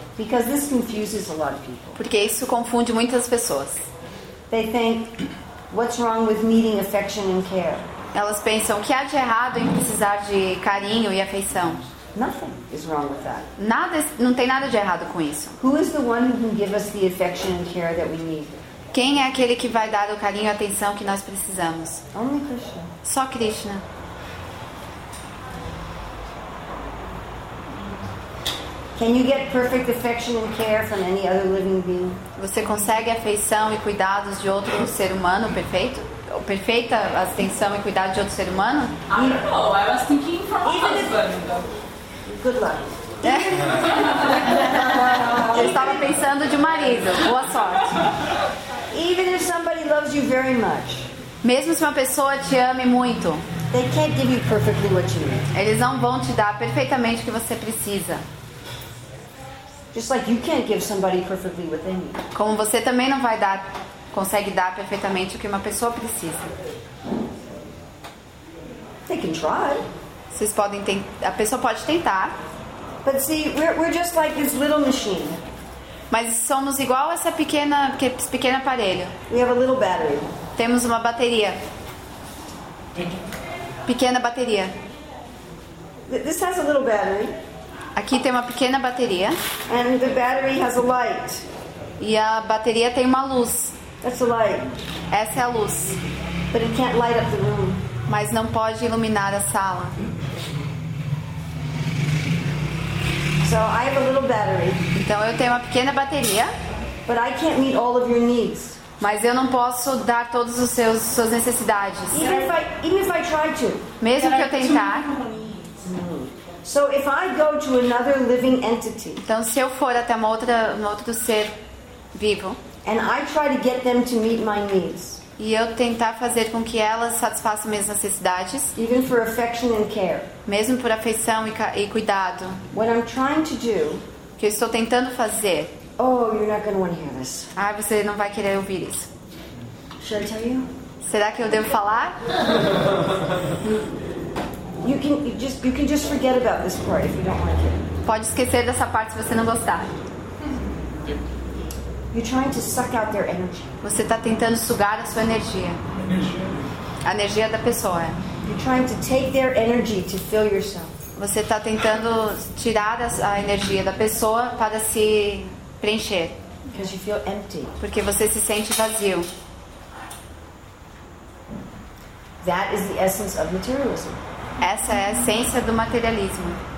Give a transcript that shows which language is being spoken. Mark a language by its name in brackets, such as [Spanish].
[English] Because this confuses a lot of people. [Portuguese] Porque isso confunde muitas pessoas. [English] They think... What's wrong with needing affection and care? [Portuguese] Elas pensam, o que há de errado em precisar de carinho e afeição? [English] Nothing is wrong with that. [Portuguese] Nada, não tem nada de errado com isso. [English] Who is the one who can give us the affection and care that we need? [Portuguese] Quem é aquele que vai dar o carinho e a atenção que nós precisamos? [English] Only Krishna. [Portuguese] Só Krishna. [English] Can you get perfect affection and care from any other living being? [Portuguese] Você consegue afeição e cuidados de outro ser humano perfeito? Ou perfeita atenção e cuidado de outro ser humano? [English] I don't know. I was thinking from my husband. Good luck. [Portuguese] Eu estava pensando de marido. Boa sorte. [English] Even if somebody loves you very much. [Portuguese] Mesmo se uma pessoa te ame muito. [English] They can't give you perfectly what you need. [Portuguese] Eles não vão te dar perfeitamente o que você precisa. [English] Just like you can't give somebody perfectly what they need. [Portuguese] Como você também não vai dar, consegue dar perfeitamente o que uma pessoa precisa. [English] They can try. [Portuguese] Vocês podem a pessoa pode tentar. [English] But see, we're just like this little machine. [Portuguese] Mas somos igual a esse pequeno aparelho. [English] We have a little battery. [Portuguese] Temos uma bateria. Pequena bateria. [English] This has a little battery. [Portuguese] Aqui tem uma pequena bateria. [English] And the battery has a light. [Portuguese] E a bateria tem uma luz. [English] That's a light. [Portuguese] Essa é a luz. [English] But it can't light up the room. [Portuguese] Mas não pode iluminar a sala. [English] So I have a little battery. [Portuguese] Então eu tenho uma pequena bateria. [English] But I can't meet all of your needs. [Portuguese] Mas eu não posso dar todas as suas necessidades. [English] Even if I try to. [Portuguese] Mesmo que eu tentar. [English] So if I go to another living entity, [Portuguese] então se eu for até um outro ser vivo, [English] and I try to get them to meet my needs, [Portuguese] e eu tentar fazer com que elas satisfaçam minhas necessidades, [English] even for affection and care, [Portuguese] mesmo por afeição e cuidado, [English] what I'm trying to do, [Portuguese] que eu estou tentando fazer, [English] oh, you're not going to want to hear this. [Portuguese] Ah, você não vai querer ouvir isso. [English] Should I tell you? [Portuguese] Será que eu devo falar? [English] You can just forget about this part if you don't like it. [Portuguese] Pode esquecer dessa parte se você não gostar. [English] You're trying to suck out their energy. [Portuguese] Você está tentando sugar a sua energia. A energia da pessoa. [English] You're trying to take their energy to fill yourself. [Portuguese] Você está tentando tirar a energia da pessoa para se preencher. [English] Because you feel empty. [Portuguese] Porque você se sente vazio. [English] That is the essence of materialism. [Portuguese] Essa é a essência do materialismo.